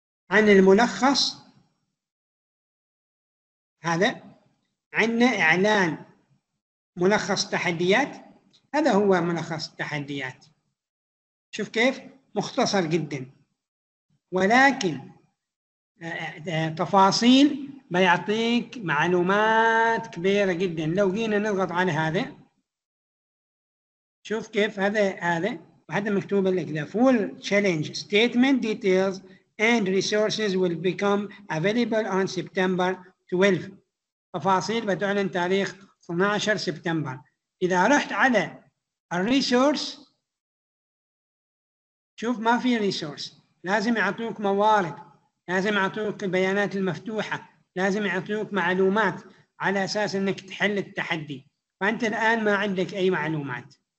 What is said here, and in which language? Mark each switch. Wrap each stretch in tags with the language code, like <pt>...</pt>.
<ar>عن الملخص، هذا عندنا إعلان ملخص تحديات، هذا هو ملخص التحديات، شوف كيف مختصر جدا، ولكن تفاصيل بيعطيك معلومات كبيرة جدا. لو جينا نضغط على هذا، شوف كيف هذا وهذا مكتوب لك</ar> <en>the full challenge statement details and resources will become available on September 12.</en> <ar>تفاصيل بتعلن تاريخ 12 سبتمبر. إذا رحت على الريسورس، شوف ما في ريسورس، لازم يعطوك موارد، لازم يعطوك البيانات المفتوحة، لازم يعطوك معلومات على أساس أنك تحل التحدي، فأنت الآن ما عندك أي معلومات،</ar>